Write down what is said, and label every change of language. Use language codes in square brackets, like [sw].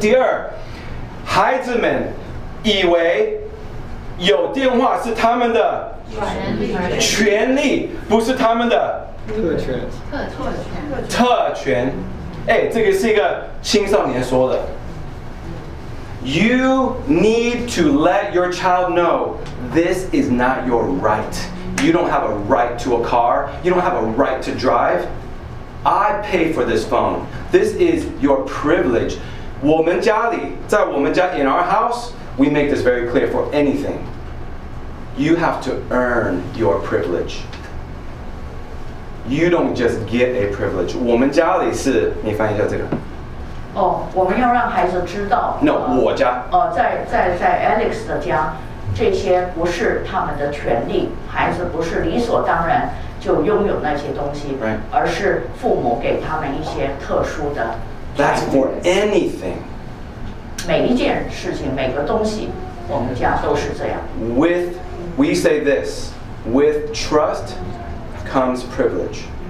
[zh] 第二，孩子们以为有电话是他们的权利，不是他们的特权。哎，这个是一个青少年说的。 [en] You need to let your child know this is not your right. You don't have a right to a car. You don't have a right to drive. I pay for this phone. This is your privilege. [zh] 我们家里，在我们家 [en] in our house, we make this very clear for anything. You have to earn your privilege. You don't just get a privilege. [zh] 我们家里是，你翻译一下这个。哦，我们要让孩子知道。 [en] No, [zh] 我家。在 Alex 的家，这些不是他们的权利，孩子不是理所当然。就拥有那些东西、 [en] right. [zh] 而是父母给他们一些特殊的 [en] That's for anything [zh] 每一件事情每个东西我们家都是这样 [en] With, we say this With trust comes privilege